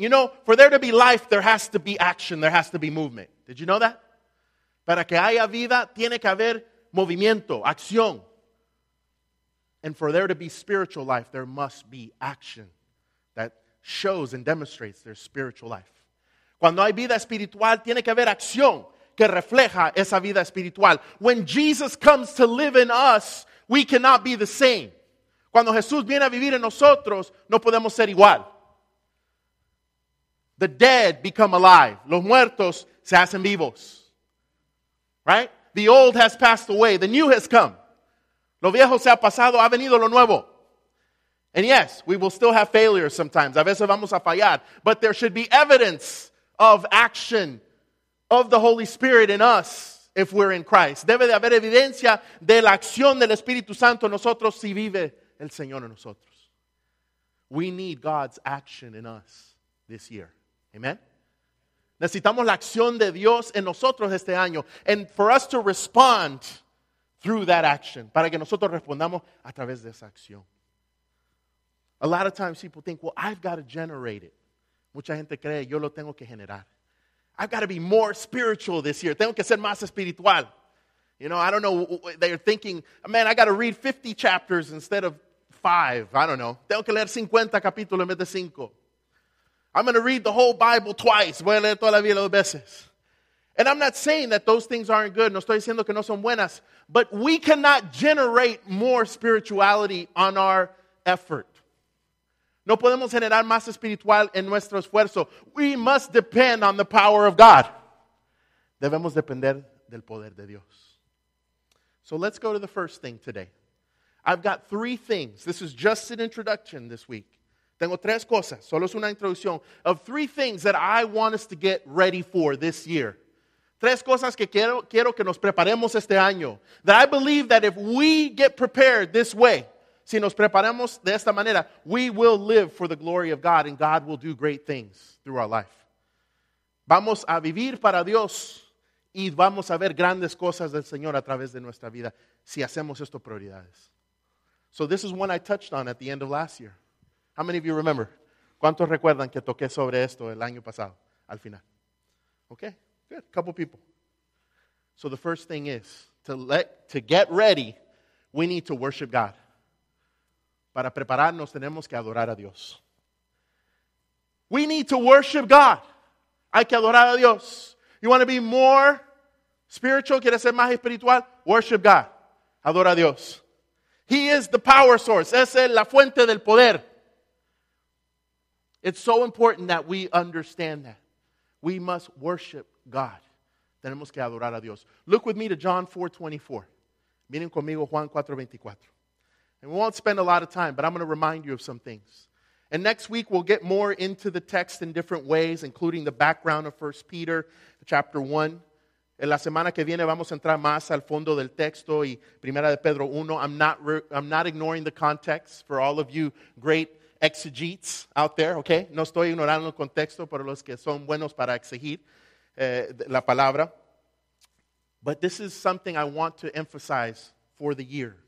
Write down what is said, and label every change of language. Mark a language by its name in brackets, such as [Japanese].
[English] You know, for there to be life, there has to be action. There has to be movement. Did you know that? [Spanish] Para que haya vida, tiene que haber movimiento, acción. [English] And for there to be spiritual life, there must be action that shows and demonstrates their spiritual life. [Spanish] Cuando hay vida espiritual, tiene que haber acción que refleja esa vida espiritual. [English] When Jesus comes to live in us, we cannot be the same. [Spanish] Cuando Jesús viene a vivir en nosotros, no podemos ser igual. [English] The dead become alive. [Spanish] Los muertos se hacen vivos. [English] Right? The old has passed away. The new has come. [Spanish] Lo viejo se ha pasado, ha venido lo nuevo. [English] And yes, we will still have failures sometimes. [Spanish] A veces vamos a fallar. [English] But there should be evidence of action of the Holy Spirit in us, if we're in Christ. [Spanish] Debe de haber evidencia de la acción del Espíritu Santo en nosotros si vive el Señor en nosotros. [English] We need God's action in us this year. Amen. [Spanish] Necesitamos la acción de Dios en nosotros este año. [English] And for us to respond through that action. [Spanish] Para que nosotros respondamos a través de esa acción. [English] A lot of times people think, well, I've got to generate it. [Spanish] Mucha gente cree, yo lo tengo que generar. [English] I've got to be more spiritual this year. [Spanish] Tengo que ser más espiritual. [English] You know, I don't know, they're thinking, man, I got to read 50 chapters instead of 5. I don't know. [Spanish] Tengo que leer 50 capítulos en vez de 5. [English] I'm going to read the whole Bible twice. [Spanish] Voy a leer toda la Biblia dos veces. [English] And I'm not saying that those things aren't good. [Spanish] No estoy diciendo que no son buenas. [English] But we cannot generate more spirituality on our effort. [Spanish] No podemos generar más espiritual en nuestro esfuerzo. [English] We must depend on the power of God. [Spanish] Debemos depender del poder de Dios. [English] So let's go to the first thing today. I've got 3 things. This is just an introduction this week. [Spanish] Tengo 3 cosas, solo es una introducción, [English] of 3 things that I want us to get ready for this year. [Spanish] 3 cosas que quiero que nos preparemos este año. [English] That I believe that if we get prepared this way, [Spanish] si nos preparamos de esta manera, [English] we will live for the glory of God and God will do great things through our life. [Spanish] Vamos a vivir para Dios y vamos a ver grandes cosas del Señor a través de nuestra vida si hacemos esto prioridades. [English] So this is one I touched on at the end of last year. How many of you remember? [Spanish] ¿Cuántos recuerdan que toqué sobre esto el año pasado, al final? [English] Okay, good, couple people. So the first thing is, to get ready, we need to worship God. [Spanish] Para prepararnos, tenemos que adorar a Dios. [English] We need to worship God. [Spanish] Hay que adorar a Dios. [English] You want to be more spiritual? [Spanish] ¿Quieres ser más espiritual? [English] Worship God. [Spanish] Adora a Dios. [English] He is the power source. [Spanish] Es la fuente del poder. [English] It's so important that we understand that. We must worship God. [Spanish] Tenemos que adorar a Dios. [English] Look with me to John 4:24. [Spanish] Miren conmigo Juan 4:24. [English] And we won't spend a lot of time, but I'm going to remind you of some things. And next week we'll get more into the text in different ways, including the background of 1 Peter chapter 1. [Spanish] En la semana que viene vamos a entrar más al fondo del texto y Primera de Pedro 1. [English] I'm not ignoring the context for all of you great exegetes out there, okay? [Spanish] No estoy ignorando el contexto, pero los que son buenos para exegir la palabra. [English] But this is something I want to emphasize for the year.